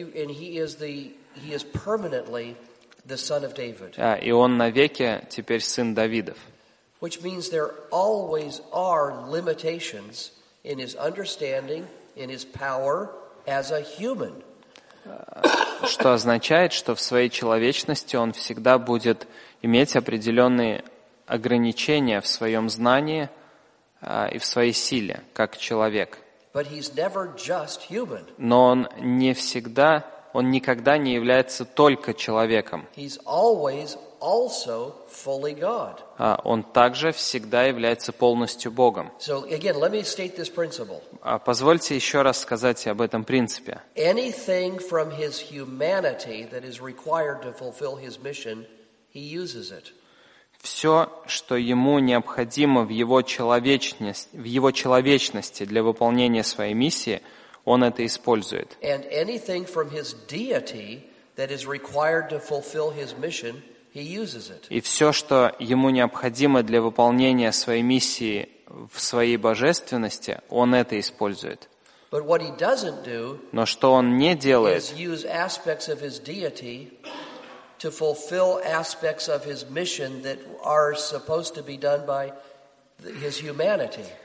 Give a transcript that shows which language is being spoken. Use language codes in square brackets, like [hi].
[en] And he is permanently the son of David. [ru] И он навеки теперь сын Давидов. [en] Which means there always are limitations in his understanding, in his power as a human. [ru] Что означает, что в своей человечности он всегда будет иметь определенные ограничения в своем знании и в своей силе, как человек. [en] But he's never just human. [ru] Но он не всегда, он никогда не является только человеком. [en] He's always also fully God. [ru] Он также всегда является полностью Богом. [en] So again, let me state this principle. [ru] Позвольте еще раз сказать об этом принципе. [en] Anything from his humanity that is required to fulfill his mission, he uses it. [ru] Все, что ему необходимо в его человечности для выполнения своей миссии, он это использует. [en] And anything from his deity that is required to fulfill his mission, he uses it. [ru] И все, что ему необходимо для выполнения своей миссии в своей божественности, он это использует. [en] But what he doesn't do, [ru] но что он не делает, [en] is use aspects of his deity to fulfill aspects of his mission that are supposed to be done by his humanity.